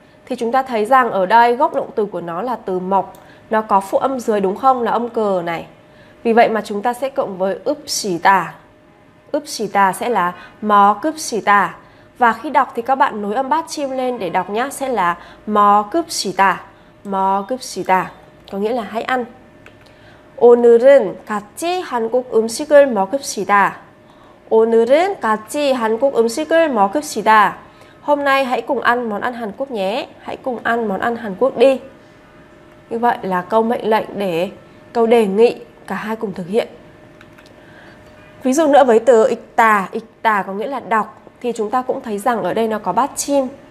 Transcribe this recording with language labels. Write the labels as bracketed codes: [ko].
[vi] Thì chúng ta thấy rằng ở đây gốc động từ của nó là từ 먹. Nó có phụ âm dưới đúng không? Là âm cờ này. Vì vậy mà chúng ta sẽ cộng với 읍시다. 읍시다 sẽ là 먹읍시다. Và khi đọc thì các bạn nối âm bát chim lên để đọc nhá, sẽ là 먹읍시다. 먹읍시다. Có nghĩa là hãy ăn. [ko] 오늘은 같이 한국 음식을 먹읍시다. 오늘은 같이 한국 음식을 먹읍시다. [vi] Hôm nay hãy cùng ăn món ăn Hàn Quốc nhé. Hãy cùng ăn món ăn Hàn Quốc đi. Như vậy là câu mệnh lệnh để câu đề nghị cả hai cùng thực hiện. Ví dụ nữa với từ ịch-tà. Ịch-tà có nghĩa là đọc. Thì chúng ta cũng thấy rằng ở đây nó có bát chim.